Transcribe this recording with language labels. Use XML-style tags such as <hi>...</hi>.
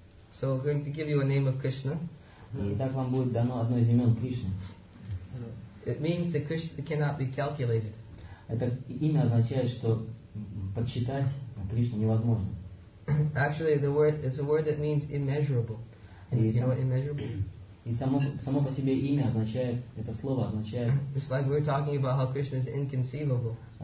<en>So we're going to give you a name of Krishna.</en> <ru>Итак, вам будет дано одно из имен Кришны.</ru> <en>It means that Krishna cannot be calculated.</en> <ru>Это имя означает, что подсчитать Кришну невозможно.</ru> <en>Actually, the word it's a word that means immeasurable. Immeasurable.</en> <ru>И само по себе имя означает это слово означает.</ru> <en>It's like we're talking about how Krishna is inconceivable.</en>